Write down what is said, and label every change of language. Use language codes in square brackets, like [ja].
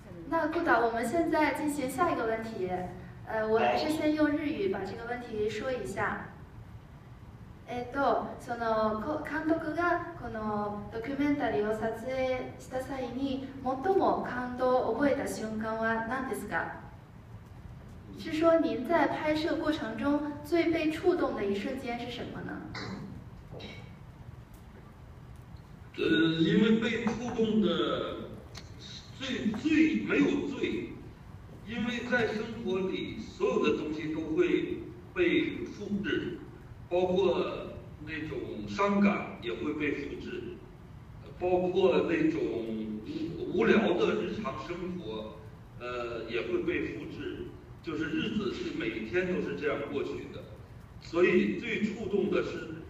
[zh] 那顾导，我们现在进行下一个问题。我还是先用日语把这个问题说一下。 [ja] その監督がこのドキュメンタリーを撮影した際に最も感動を覚えた瞬間は何ですか？ [zh] 是说您在拍摄过程中最被触动的一瞬间是什么呢？因为被触动的最没有罪，因为在生活里所有的东西都会被复制，包括那种伤感也会被复制，包括那种无聊的日常生活，也会被复制，就是日子是每天都是这样过去的，所以最触动的是。